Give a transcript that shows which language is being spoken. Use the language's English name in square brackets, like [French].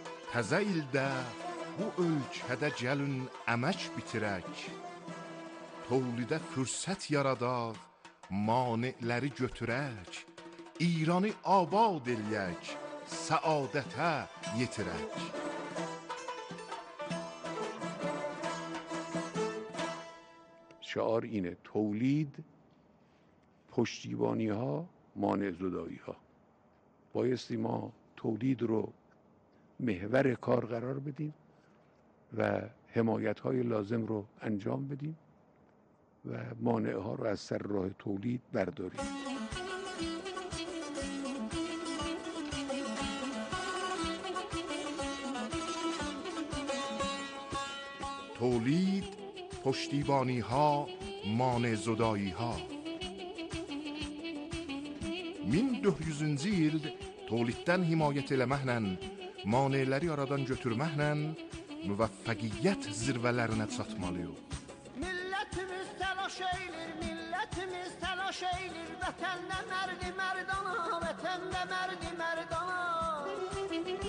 [Azerbaijani] təzə ildə bu ölkədə gəlin əmək bitirək. Tövlidə fürsət yaradaq, maneləri götürək. İranı abad eləyək, səadətə yetirək. [Persian] شعار اینه: تولید، پشتیبانی ها، مانع زدایی ها. بایستی ما تولید رو محور کار قرار بدیم و حمایت های لازم رو انجام بدیم و مانع ها رو از سر راه تولید برداریم. تولید، پشتیبانی ها، مانع زدایی ها. [Azerbaijani] 1400-cü ildə tolitdən himayət eləməklə, maneələri aradan götürməklə müvəffəqiyyət zirvələrinə çatmalıyıq. Millətimiz təlaş eylir, millətimiz təlaş eylir, vətəndə mərdi mərdana, vətəndə mərdi mərdana.